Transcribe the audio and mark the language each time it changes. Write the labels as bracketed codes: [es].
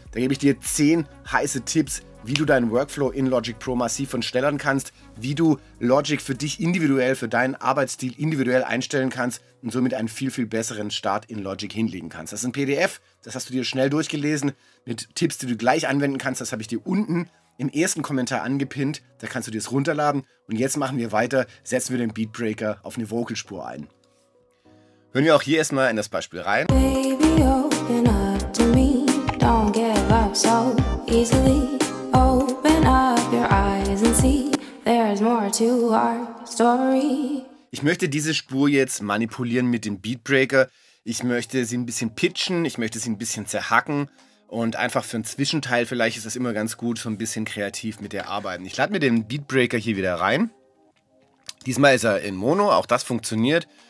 [de] Da gebe ich dir 10 heiße Tipps, wie du deinen Workflow in Logic Pro massiv verschnellern kannst, wie du Logic für dich individuell, für deinen Arbeitsstil individuell einstellen kannst und somit einen viel, viel besseren Start in Logic hinlegen kannst. Das ist ein PDF, das hast du dir schnell durchgelesen, mit Tipps, die du gleich anwenden kannst. Das habe ich dir unten im ersten Kommentar angepinnt, da kannst du dir es runterladen. Und jetzt machen wir weiter, setzen wir den Beatbreaker auf eine Vocalspur ein. Hören wir auch hier erstmal in das Beispiel rein. [en] Baby, open up to me, don't give up so easily. Open up your eyes and see, there's more to our story. [de] Ich möchte diese Spur jetzt manipulieren mit dem Beatbreaker. Ich möchte sie ein bisschen pitchen, ich möchte sie ein bisschen zerhacken. Und einfach für einen Zwischenteil vielleicht ist das immer ganz gut, so ein bisschen kreativ mit der arbeiten. Ich lade mir den Beatbreaker hier wieder rein. Diesmal ist er in Mono, auch das funktioniert.